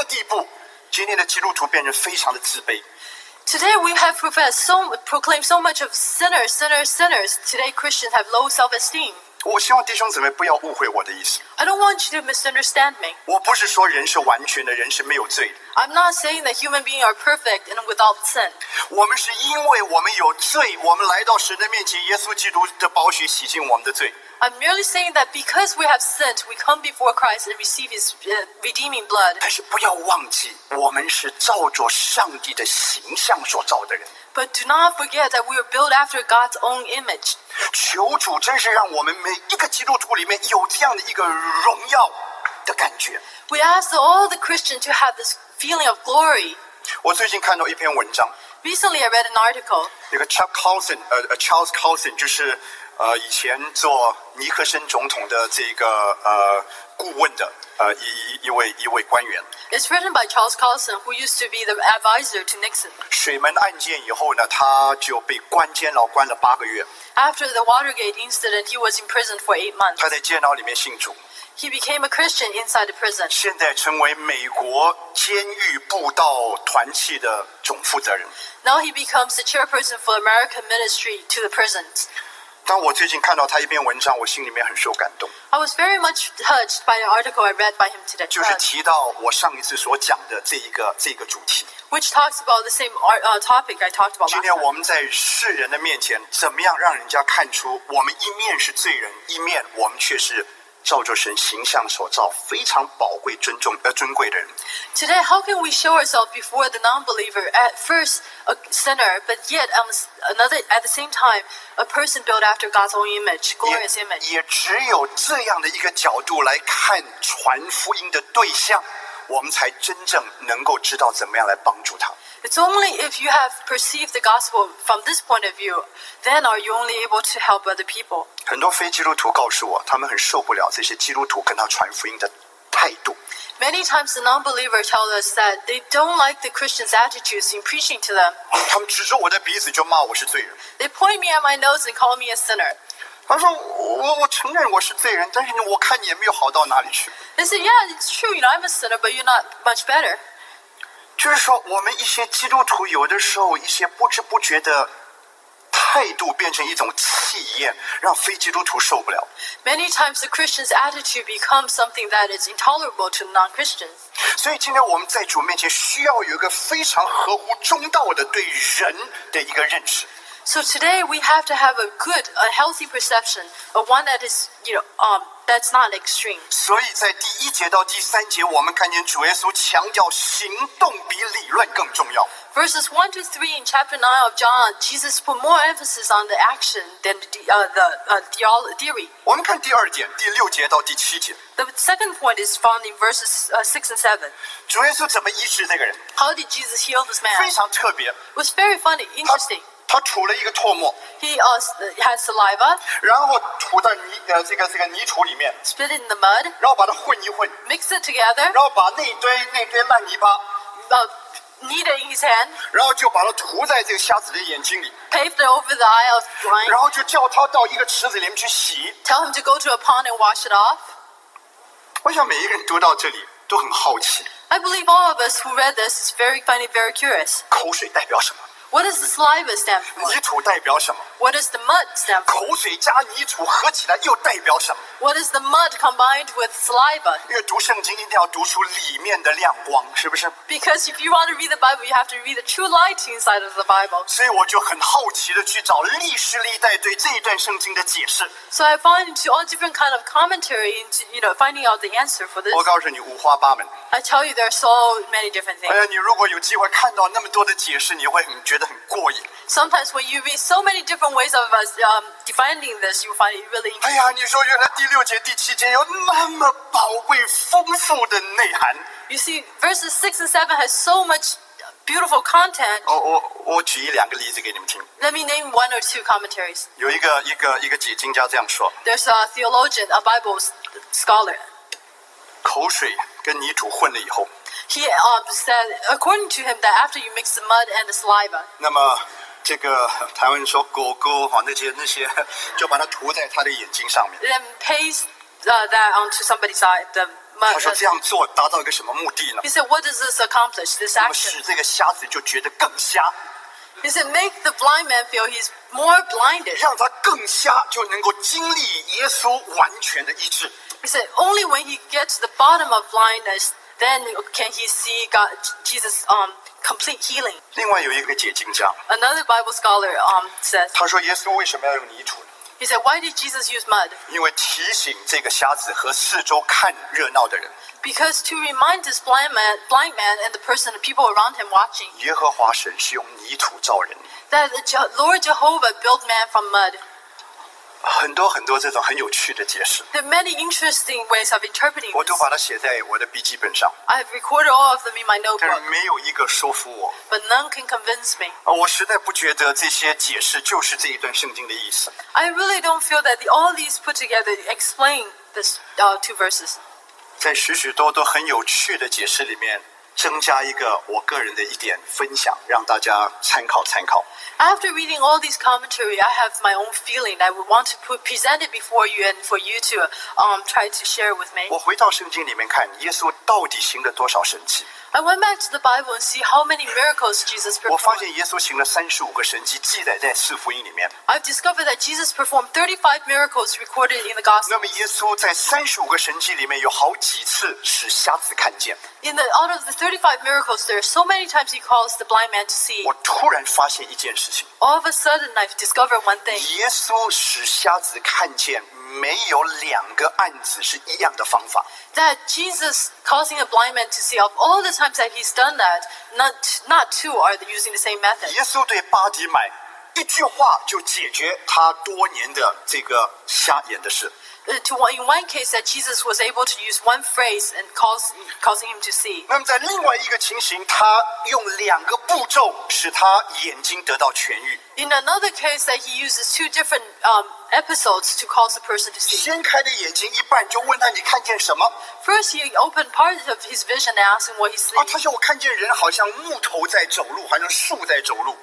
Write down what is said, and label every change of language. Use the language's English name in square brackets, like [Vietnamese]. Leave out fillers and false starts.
[Chinese] 我们今天讲罪人，讲到一个地步，今天的基督徒变成非常的自卑。 [English] Today we have proclaimed so much of sinners, sinners, sinners. Today Christians have low self-esteem. [Chinese] 我希望弟兄姊妹不要误会我的意思。 [English] I don't want you to misunderstand me. [Chinese] 我不是说人是完全的，人是没有罪的。 [English] I'm not saying that human beings are perfect and without sin. [Chinese] 我们是因为我们有罪，我们来到神的面前，耶稣基督的宝血洗净我们的罪。 [English] I'm merely saying that because we have sinned, we come before Christ and receive His redeeming blood. [Chinese] 但是不要忘记，我们是照着上帝的形象所造的人。 [English] But do not forget that we are built after God's own image. [Chinese] 求主真是让我们每一个基督徒里面有这样的一个荣耀的感觉。 [English] We ask all the Christians to have this feeling of glory. [Chinese] 我最近看到一篇文章。 [English] Recently, I read an article. [Chinese] 一个 Charles Coulson 就是以前做尼克森总统的这个顾问的一位官员。 [English] It's written by Charles Carlson, who used to be the advisor to Nixon. [Chinese] 水门案件以后呢，他就被关监牢关了八个月。 [English] After the Watergate incident, he was imprisoned for 8 months. [Chinese] 他在监牢里面信主。 [English] He became a Christian inside the prison. [Chinese] 现在成为美国监狱布道团契的总负责人。 [English] Now he becomes the chairperson for American Ministry to the Prisons. [Chinese] 当我最近看到他一篇文章，我心里面很受感动。 [English] I was very much touched by the article I read by him today. [Chinese] 就是提到我上一次所讲的这一个主题。 [English] Which talks about the same topic I talked about. [Chinese] 今天我们在世人的面前，怎么样让人家看出我们一面是罪人，一面我们却是照着神形象所造，非常宝贵、尊贵的人。 [English] Today, how can we show ourselves before the non-believer? At first, a sinner, but yet at the same time, a person built after God's own image, glorious image. [Chinese] 也只有这样的一个角度来看传福音的对象，我们才真正能够知道怎么样来帮助他。 [English] It's only if you have perceived the gospel from this point of view, then are you only able to help other people. [Chinese] 很多非基督徒告诉我，他们很受不了这些基督徒跟他传福音的态度。 [English] Many times the non-believers tell us that they don't like the Christians' attitudes in preaching to them. [Chinese] 他们指着我的鼻子就骂我是罪人。 [English] They point me at my nose and call me a sinner. [Chinese] 他说我承认我是罪人，但是我看你也没有好到哪里去。 [English] They say, yeah, it's true, you know, I'm a sinner, but you're not much better. [Chinese] 就是说我们一些基督徒有的时候一些不知不觉的态度变成一种气焰，让非基督徒受不了。 [English] Many times the Christian's attitude becomes something that is intolerable to non-Christians. [Chinese] 所以今天我们在主面前需要有一个非常合乎中道的对人的一个认识。 [English] So today we have to have a good, a healthy perception, a one that is, you know, that's not extreme. [Chinese] 所以在第一节到第三节，我们看见主耶稣强调行动比理论更重要。 [English] Verses 1 to 3 in chapter 9 of John, Jesus put more emphasis on the action than the theory. [Chinese] 我们看第二点，第六节到第七节。 [English] The second point is found in verses 6 and 7. [Chinese] 主耶稣怎么医治这个人？ [English] How did Jesus heal this man? [Chinese] 非常特别。 [English] It was very funny, interesting. [Chinese] 他吐了一个唾沫。 [English] He had saliva. [Chinese] 然后吐到泥这个泥土里面。 [English] Spit in the mud. [Chinese] 然后把它混一混。 [English] Mix it together. [Chinese] 然后把那堆烂泥巴。 [English] Knead it in his hand. [Chinese] 然后就把它涂在这个瞎子的眼睛里。 [English] Paved it over the eye of the blind. [Chinese] 然后就叫他到一个池子里面去洗。 [English] Tell him to go to a pond and wash it off. [Chinese] 我想每一个人读到这里都很好奇。 [English] I believe all of us who read this is very funny, very curious. [Chinese] 口水代表什么？ [English] What does the saliva stand for? [Chinese] 泥土代表什么？ [English] What does the mud stand for? [Chinese] 口水加泥土合起来又代表什么？ [English] What is the mud combined with saliva? [Chinese] 因为读圣经一定要读出里面的亮光，是不是？ [English] Because if you want to read the Bible, you have to read the true light inside of the Bible. [Chinese] 所以我就很好奇地去找历史历代对这一段圣经的解释。 [English] So I found into all different kind of commentary into, you know, finding out the answer for this. [Chinese] 我告诉你五花八门。 [English] I tell you there are so many different things. [Chinese] 你如果有机会看到那么多的解释，你会很觉得。 [English] Sometimes when you read so many different ways of us defining this, you find it really interesting. [Chinese] 哎呀，你说原来第六节、第七节有那么宝贵、丰富的内涵。 [English] You see, verses 6 and 7 has so much beautiful content. [Chinese] 我举一两个例子给你们听。 [English] Let me name one or two commentaries. [Chinese] 有一个解经家这样说。 [English] There's a theologian, a Bible scholar. [Chinese] 口水跟泥土混了以后。 [English] He said, according to him, that after you mix the mud and the saliva. [Chinese] 那么，这个台湾说狗狗哈，那些，就把它涂在他的眼睛上面。 [English] Then paste that onto somebody's eye. The mud. [Chinese] 他说这样做达到一个什么目的呢 [English] ？He said, what does this accomplish? This action. [Chinese] 那么使这个瞎子就觉得更瞎。 [English] He said, make the blind man feel he's more blinded. [Chinese] 让他更瞎，就能够经历耶稣完全的医治。 [English] He said, only when he gets to the bottom of blindness. Then can he see God, Jesus, complete healing? [Chinese] 另外有一个解经家 [English] Another Bible scholar, says. [Chinese] 他说耶稣为什么要用泥土呢 [English] He said, "Why did Jesus use mud?" [Chinese] 因为提醒这个瞎子和四周看热闹的人 [English] Because to remind this blind man and the person, the people around him watching. [Chinese] 耶和华神是用泥土造人 [English] That the Lord Jehovah built man from mud. [Chinese] 很多很多这种很有趣的解释。 [English] There are many interesting ways of interpreting. [Chinese] 我都把它写在我的笔记本上。 [English] I have recorded all of them in my notebook. [Chinese] 但是没有一个说服我。 [English] But none can convince me. [Chinese] 我实在不觉得这些解释就是这一段圣经的意思。 [English] I really don't feel that all these put together explain this two verses. [Chinese] 在许许多多很有趣的解释里面。增加一个我个人的一点分享，让大家参考参考。 [English] After reading all these commentary, I have my own feeling that I would want to present it before you and for you to try to share with me. [Chinese] 我回到圣经里面看，耶稣到底行了多少神迹 [English] ？I went back to the Bible and see how many miracles Jesus performed. [Chinese] 我发现耶稣行了35神迹，记载在四福音里面。 [English] I've discovered that Jesus performed 35 miracles recorded in the Gospels. [Chinese] 那么耶稣在35神迹里面有好几次使瞎子看见。 [English] In the out of the 35 miracles, there are so many times he calls the blind man to see. [Chinese] 我突然发现一件事情。 [English] All of a sudden, I've discovered one thing. [Chinese] 耶稣使瞎子看见，没有两个案子是一样的方法。 [English] That Jesus causing a blind man to see, of all the times that he's done that, not two are using the same method. [Chinese] 耶稣对巴底买一句话就解决他多年的这个瞎眼的事。 [English] In one case, that Jesus was able to use one phrase and causing him to see. [Chinese] 那么在另外一个情形，他用两个步骤使他眼睛得到痊愈。 [English] In another case, that he uses two different episodes to cause the person to see. [Chinese] 先开的眼睛一半，就问他你看见什么 [English] ？First, he opened part of his vision and asked him what he saw. [Chinese] 啊，他说我看见人好像木头在走路，好像树在走路。